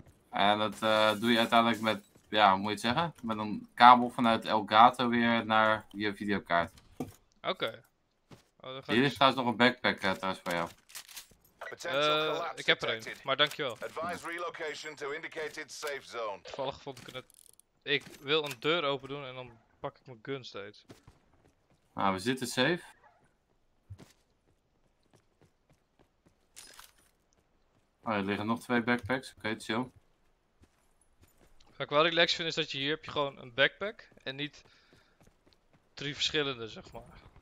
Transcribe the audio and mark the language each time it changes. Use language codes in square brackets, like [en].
[nl] En dat doe je uiteindelijk met, ja, hoe moet je het zeggen? Met een kabel vanuit Elgato weer naar je videokaart. Oké. [en] Okay. [nl] Oh, hier is trouwens nog een backpack thuis voor jou. Ik heb er een, maar dankjewel. [en] Advise relocation to indicated safe zone. [nl] Toevallig vond ik het... Ik wil een deur open doen en dan pak ik mijn gun steeds. Nou, we zitten safe. Oh, er liggen nog twee backpacks. Oké, okay, chill. Wat ik wel relaxed vind is dat je hier heb je gewoon een backpack en niet drie verschillende, zeg maar.